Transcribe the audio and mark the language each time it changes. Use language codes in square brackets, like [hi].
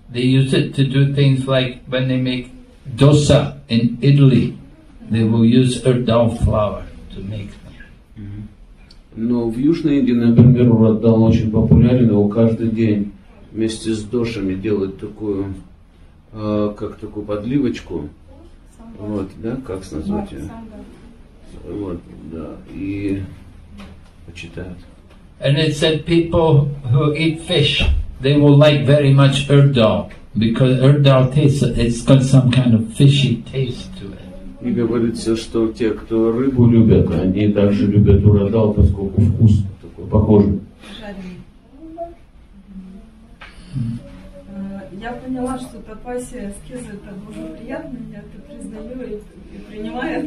[en] They use it to do things like when they make dosa in Italy, they will use urdal flour to make them. [ru] Но в Южной Индии, например, урдал очень популярен, его каждый день вместе с дошами делают такую, как такую подливочку. Вот, да, как назвать ее? Вот, да, и почитают. [en] And it said people who eat fish, they will like very much urdal. Because urdal tastes, it's got some kind of fishy taste to it. [ru] И говорится, что те, кто рыбу любят, они также любят урдал, поскольку вкус такой похожий. Жареный. Я поняла, что тапаси и аскезы это было приятно, я это признаю и принимаю.